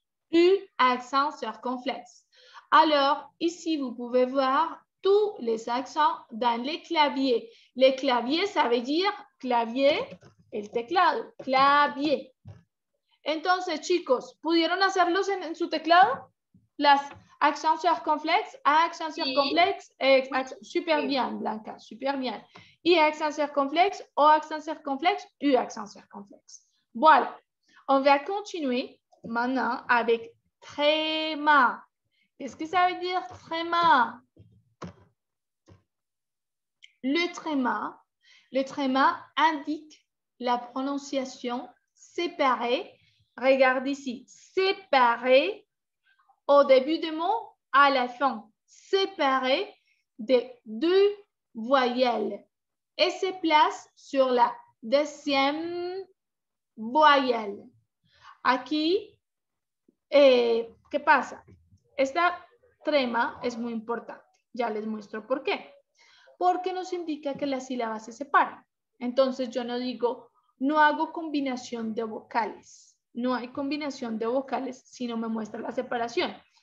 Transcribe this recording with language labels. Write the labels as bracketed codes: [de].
[fr] U, accent circonflexe. Alors, ici, vous pouvez voir tous les accents dans les claviers. Les claviers, ça veut dire clavier et le teclado. Clavier. [es] Entonces, chicos, ¿pudieron hacerlos en su teclado? Las accents circonflexes, accent circonflexe, super bien, Blanca, super bien. [fr] I, accent circonflexe, O, accent circonflexe, U, accent circonflexe. Voilà. On va continuer. Maintenant, avec tréma. Qu'est-ce que ça veut dire, tréma? Le tréma, Le tréma indique la prononciation séparée. Regarde ici, séparée au début du mot, à la fin, séparée des deux voyelles et se place sur la deuxième voyelle. [es] Aquí, ¿qué pasa? Esta trema es muy importante. Ya les muestro por qué. Porque nos indica que las sílabas se separan. Entonces yo no digo, no hago combinación de vocales. No hay combinación de vocales si no me muestra la separación.